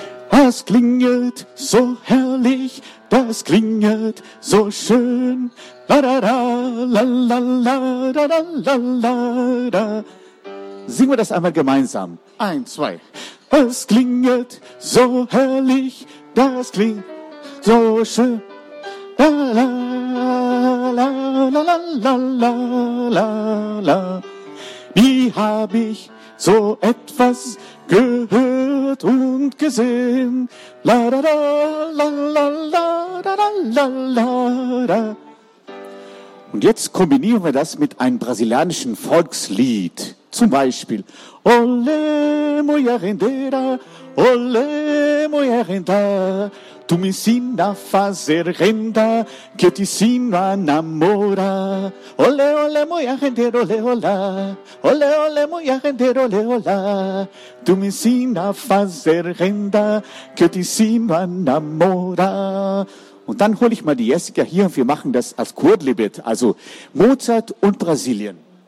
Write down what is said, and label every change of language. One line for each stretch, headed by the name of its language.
German: Das klingelt so herrlich, das klingelt so schön. La da da, la la la, da da la la da. Singen wir das einmal gemeinsam. Eins, zwei. Das klingelt so herrlich, das klingt so schön. La la la la la la la la la. Wie hab ich so etwas gehört und gesehen. La da da, la la la, da da la la da. Und jetzt kombinieren wir das mit einem brasilianischen Volkslied. Zum Beispiel.
Portuguese: Olé, mulher rendeira, olé, mulher renda. Tu me ensina a fazer renda, que eu te ensino a namorar. Olé, olé, mulher rendeira, olé, olá. Olé, olé, mulher rendeira, olé, olá. Tu me ensina a fazer renda, que eu te ensino a namorar.
German: Und dann hole ich mal die Jessica hier und wir machen das als Kurdlibet, also Mozart und Brasilien.